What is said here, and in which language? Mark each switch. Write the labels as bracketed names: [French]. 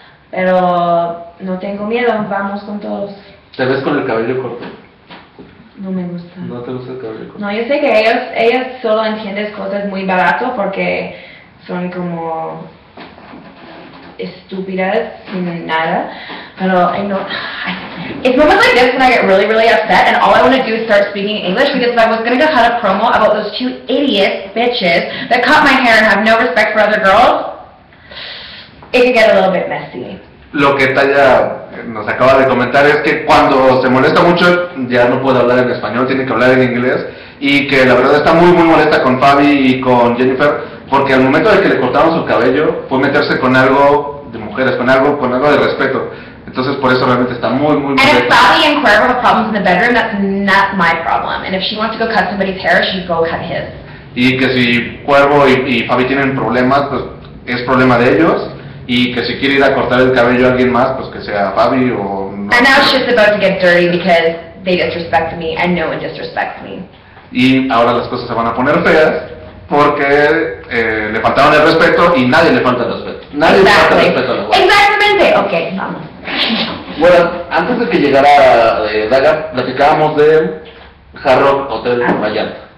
[Spanish] Pero no tengo miedo, vamos con todos. ¿Te ves con el cabello corto? No me gusta. ¿No te gusta el cabello corto? No, yo sé que ellos solo entienden cosas muy barato porque son como estúpidas sin nada. [English] Pero it's moments like this when I get really, really upset and all I want to do is start speaking English because if I was going to cut a promo about those two idiot bitches that cut my hair and have no respect for other girls, it can get a little bit messy. [Spanish] Lo que Taya nos acaba de comentar es que cuando se molesta mucho ya no puede hablar en español, tiene que hablar en inglés, y que la verdad está muy muy molesta con Fabi y con Jennifer porque al momento de que le cortaron su cabello fue meterse con algo de mujeres, con algo de respeto. Entonces por eso realmente está muy muy [English] And if Bobby and Claire have problems in the bedroom, that's not my problem. And if she wants to go cut somebody's hair, she go cut his. [Spanish] Y que si Cuervo y Fabi tienen problemas, pues es problema de ellos. Y que si quiere ir a cortar el cabello a alguien más, pues que sea Fabi o no. [English] And now she's about to get dirty because they disrespect me and no one disrespects me. [Spanish] Y ahora las cosas se van a poner feas porque le faltaron el respeto y nadie le falta el respeto. Nadie le falta el respeto a los cuatro. Exactamente. Okay, vamos. Bueno, antes de que llegara Daga, platicábamos del Hard Rock Hotel en Miami.